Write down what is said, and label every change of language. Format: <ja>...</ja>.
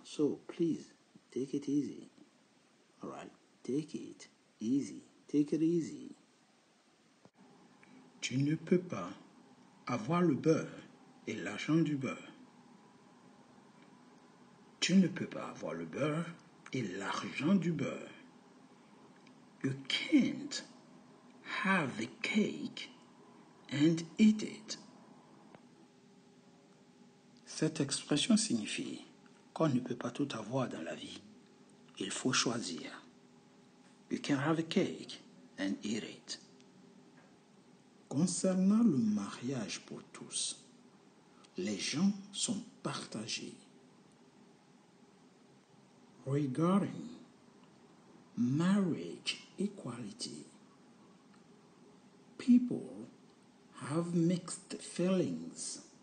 <en>So, please, take it easy. Alright, take it easy. Take it easy.</en> <fr>Tu ne peux pas avoir le beurre et l'argent du beurre. Tu ne peux pas avoir le beurre et l'argent du beurre.</fr> <en>You can't have the cake and eat it.</en> <fr>Cette expression signifie qu'on ne peut pas tout avoir dans la vie. Il faut choisir.</fr> <en>You can have a cake and eat it.</en> <fr>Concernant le mariage pour tous, les gens sont partagés.</fr> <en>Regarding marriage equality, people have mixed feelings.</en>